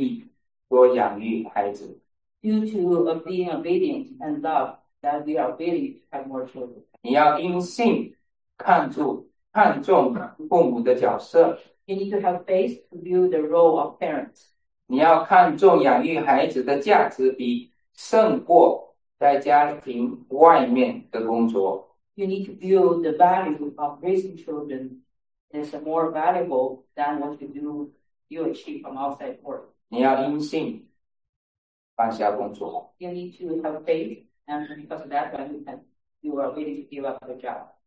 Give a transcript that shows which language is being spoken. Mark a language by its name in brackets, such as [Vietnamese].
[Chinese] 和爱的缘故，我们愿意多养育孩子。 [English] Due to being obedient and love, that we are willing to have more children. [Chinese] 你要因信看重父母的角色。 [English] You need to have faith to view the role of parents. [Chinese] 你要看重养育孩子的价值，比胜过在家庭外面的工作。 [English] You need to view the value of raising children as more valuable than what you do. You achieve from outside work. [Chinese] 你要因信放下工作。 [English] You need to have faith, and because of that, you are willing to give up the job.